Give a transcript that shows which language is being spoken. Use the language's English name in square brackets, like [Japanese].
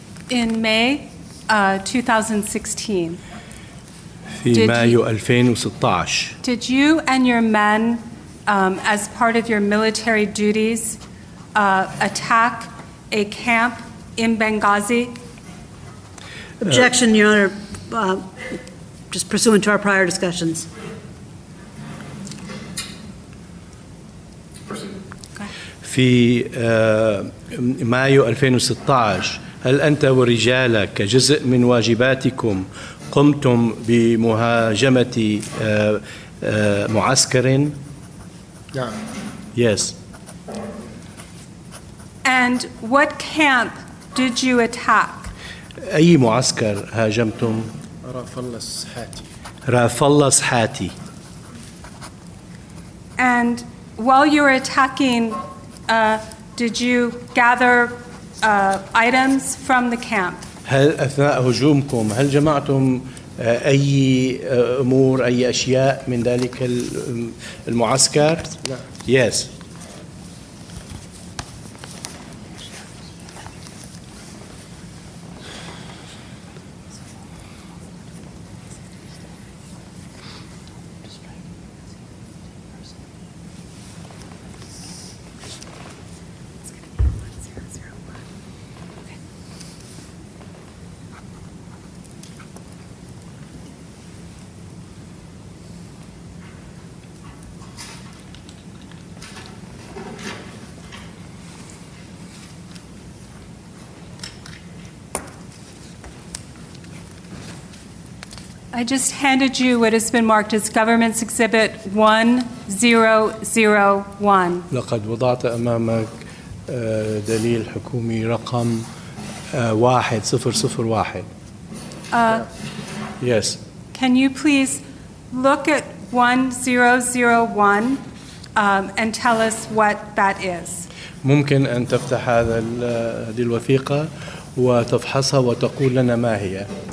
[English] In May 2016, did you and your men, as part of your military duties, attack a camp in Benghazi? Objection, Your Honor, just pursuant to our prior discussions. [Arabic] في مايو 2016 هل أنت ورجالك كجزء من واجباتكم قمتم بمهاجمة معسكر؟ نعم. [English] Yes. And what camp did you attack? [Arabic] أي معسكر هاجمتم؟ رافلس حاتي. رافلس حاتي. [English] And while you were attacking, did you gather items from the camp. [Arabic] هل أثناء هجومكم هل جمعتم أي أمور أي أشياء من ذلك المعسكر؟ لا. [English] Yes. I just handed you what has been marked as Government's Exhibit 1001. [Arabic] لقد وضعت أمامك دليل حكومي رقم 1001. [English] Yes. Can you please look at 1001 and tell us what that is? [Arabic] ممكن أن تفتح هذه الوثيقة وتفحصها وتقول لنا ما هي.